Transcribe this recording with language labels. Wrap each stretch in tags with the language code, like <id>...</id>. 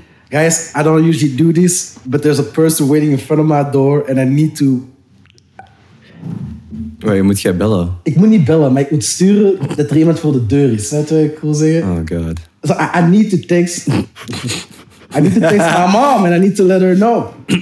<en>Guys, I don't usually do this, but there's a person waiting in front of my door and I need to...</en> <nl>Oh, je moet jij bellen? Ik moet niet bellen, maar ik moet sturen dat er iemand voor de deur is. Dat wil ik cool zeggen. Oh god.</nl> <en>So I need to text... I need to text my mom and I need to let her know.</en>